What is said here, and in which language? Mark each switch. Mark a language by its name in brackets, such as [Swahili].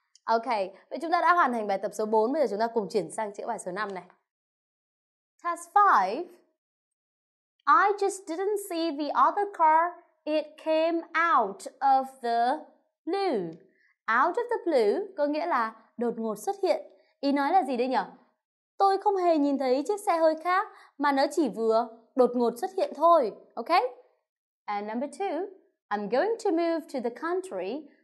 [Vietnamese] Ok, vậy chúng ta đã hoàn thành bài tập số 4, bây giờ chúng ta cùng chuyển sang chữa bài số 5 này. [English] Task 5. I just didn't see the other car. It came out of the blue. [Vietnamese] Out of the blue có nghĩa là đột ngột xuất hiện. Ý nói là gì đây nhỉ? Tôi không hề nhìn thấy chiếc xe hơi khác mà nó chỉ vừa đột ngột xuất hiện thôi. [English] Ok? And number 2, I'm going to move to the country.